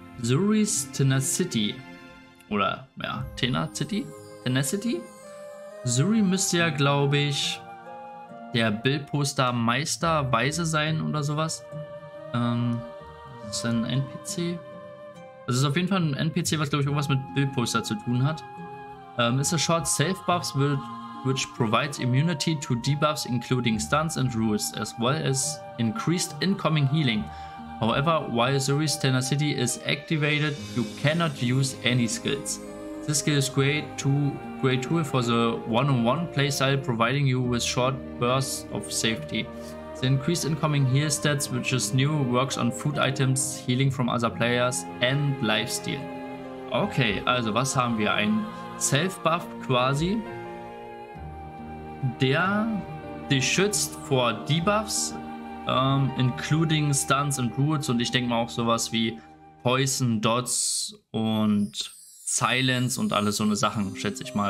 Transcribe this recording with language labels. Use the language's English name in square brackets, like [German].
[German] Zuri's Tenacity. Oder, ja, Tenacity? Tenacity? Zuri müsste ja, glaube ich, der Bildposter Meister Weise sein oder sowas. Ist ein NPC? Das ist auf jeden Fall ein NPC, was, glaube ich, irgendwas mit Bildposter zu tun hat. [English] Ist a short safe buffs which provides immunity to debuffs including stuns and rules as well as increased incoming healing. However, while Zuri's Tenacity is activated, you cannot use any skills. This skill is great tool for the one-on-one playstyle, providing you with short bursts of safety. The increased incoming heal stats, which is new, works on food items, healing from other players and lifesteal. [German] Okay, also was haben wir? Ein Self-Buff quasi, der dich schützt vor Debuffs, [English] including [German] Stunts und Roots, und ich denke mal auch sowas wie Poison, Dots und Silence und alles so eine Sachen, schätze ich mal.